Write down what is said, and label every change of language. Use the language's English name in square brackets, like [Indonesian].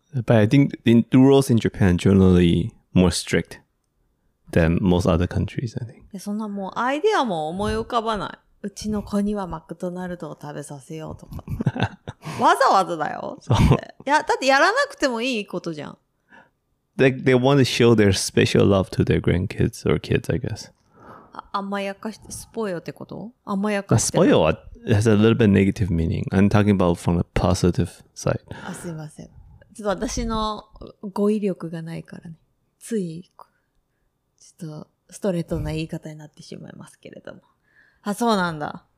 [English] But I think the rules in Japan generally more strict than most other countries, I think. [Japanese] そんなもうアイデアも思い浮かばない。うちの子にはマクドナルドを食べさせようとか。わざわざだよ。そう。だってやらなくてもいいことじゃん。 [English] They want to show their special love to their grandkids or kids, I guess. [Japanese] 甘やかしてスポイオってこと？甘やかして。スポイオは [English] has a little bit negative meaning. I'm talking about from a positive side. [Japanese] あ、すいません。ちょっと私の語彙力がないからね。つい、ちょっとストレートな言い方になってしまいますけれども。あ、そうなんだ。